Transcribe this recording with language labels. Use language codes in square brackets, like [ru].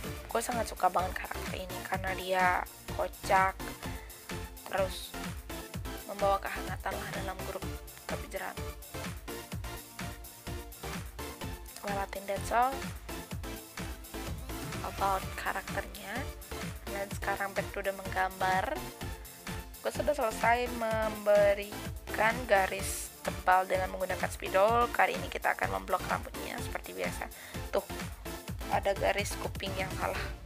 [id] Gue sangat suka banget karakter ini karena dia kocak terus membawa kehangatan lah dalam grup Topi Jerami. [en] Well, I think that's all about karakternya. [id] Dan sekarang [en] back to the [id] menggambar. Gue sudah selesai memberikan garis tebal dengan menggunakan spidol. Kali ini kita akan memblok rambutnya seperti biasa. Tuh, ada garis kuping yang salah.